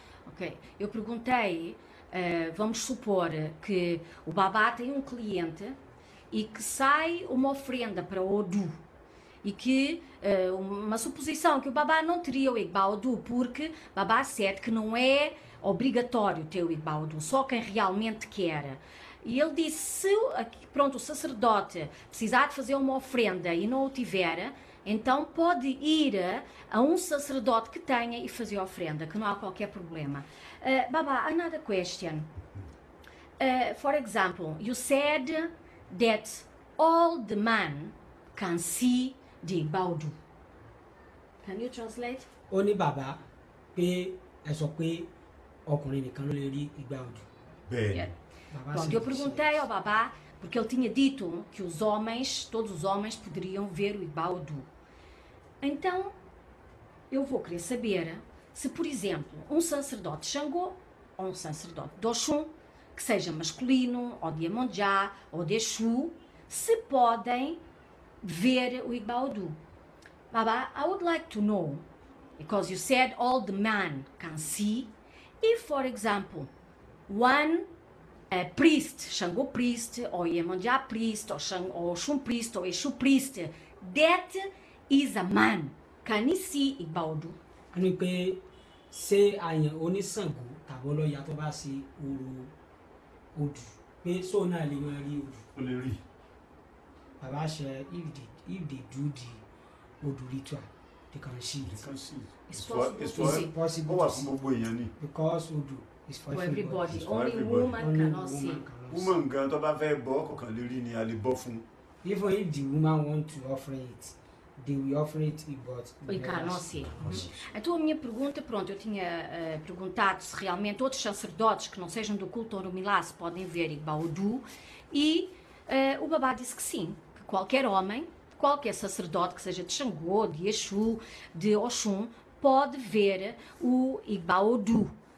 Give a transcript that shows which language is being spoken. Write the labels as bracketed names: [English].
[Portuguese] Ok, eu perguntei, vamos supor que o babá tem um cliente e que sai uma ofrenda para o Odu e que uma suposição que o babá não teria o Igba Odu, porque babá sabe que não é obrigatório ter o Igba Odu, só quem realmente quer. E ele disse, se pronto, o sacerdote precisar de fazer uma ofrenda e não o tiver, então pode ir a um sacerdote que tenha e fazer a ofrenda, que não há qualquer problema. [English] Baba, another question. For example, you said that all the man can see the baudu. Can you translate? [Yoruba] Oni baba pe eso pe okunrin nikan lo le ri igbaudu. [Portuguese] Bem. Eu perguntei ao babá porque ele tinha dito que os homens, todos os homens poderiam ver o igbaudu. Então, eu vou querer saber se, por exemplo, um sacerdote Xangô ou um sacerdote Doshun, que seja masculino, ou de Amonjá, ou de Exu, se podem ver o Igba Odu. [English] Baba, I would like to know, because you said all the men can see, if, for example, one priest, Xangô priest, ou de Amonjá priest, ou Xun priest, ou Exu priest, that is a man. Can he see Igba Odu? [Yoruba] Ani pe se ayan oni sango tabo loya to ba si oro odu pe so na le ma ri odu o le ri [English] baba she if they do the odu ritual they can see it. It's possible because odu is for everybody. Only woman cannot see. [Yoruba] Woman gan to ba fe bo ko kan le ri ni a le bo fun. [English] Even if the woman want to offer it, they will offer it, but we cannot see. [Portuguese] Então a minha pergunta, pronto, eu tinha perguntado se realmente outros sacerdotes que não sejam do culto Orumilá se podem ver Igba Odu, e o babá disse que sim, que qualquer homem, qualquer sacerdote, que seja de Xangô, de Exu, de Oxum, pode ver o Igba Odu.